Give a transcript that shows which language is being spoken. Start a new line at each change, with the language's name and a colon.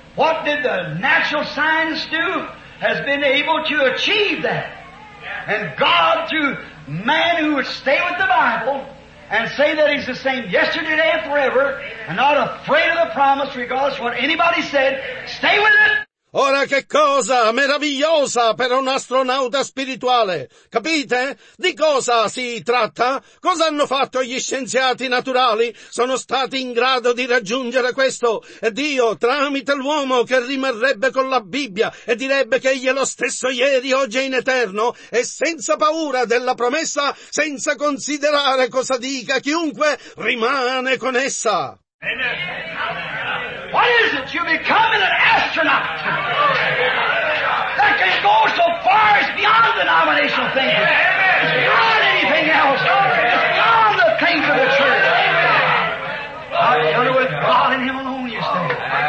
English: What did the natural science do? Has been able to achieve that. And God, through man who would stay with the Bible and say that he's the same yesterday, today, and forever, and not afraid of the promise regardless of what anybody said, stay with it!
Italian: Ora che cosa meravigliosa per un astronauta spirituale, capite? Di cosa si tratta? Cosa hanno fatto gli scienziati naturali? Sono stati in grado di raggiungere questo? E Dio, tramite l'uomo che rimarrebbe con la Bibbia e direbbe che egli è lo stesso ieri, oggi e in eterno, e senza paura della promessa, senza considerare cosa dica chiunque, rimane con essa.
English: What is it? You're becoming an astronaut that can go so far as beyond the denominational thing. It's beyond anything else. It's beyond the things of the church. I'm under with God and Him alone, you say.